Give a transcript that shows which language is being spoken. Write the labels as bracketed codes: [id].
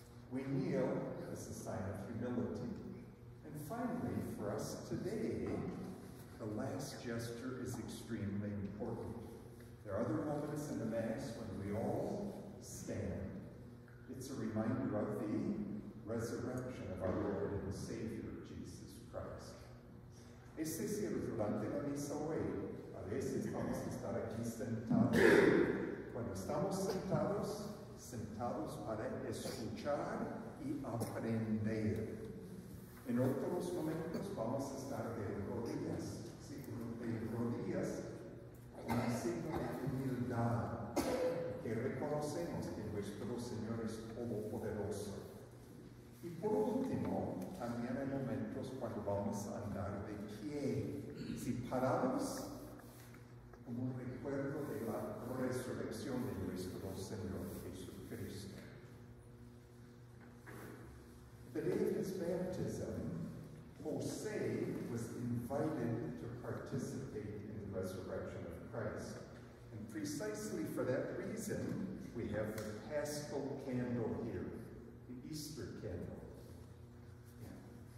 [en] We kneel as a sign of humility. And finally, for us today, the last gesture is extremely important. There are other moments in the Mass when we all stand. It's a reminder of the resurrection of our Lord and Savior, Jesus Christ. [es] Este cielo durante la misa hoy, a veces vamos a estar aquí sentados. Cuando estamos sentados, sentados para escuchar y aprender. En otros momentos vamos a estar de rodillas, sí, de rodillas, con un signo de humildad, que reconocemos que nuestro Señor es todopoderoso. Y por último, también hay momentos cuando vamos a andar de pie, si parados, como un recuerdo de la resurrección de nuestro Señor Jesucristo. [en] The day of his baptism, Jose was invited to participate in the resurrection of Christ. And precisely for that reason, we have the Paschal candle here, the Easter candle.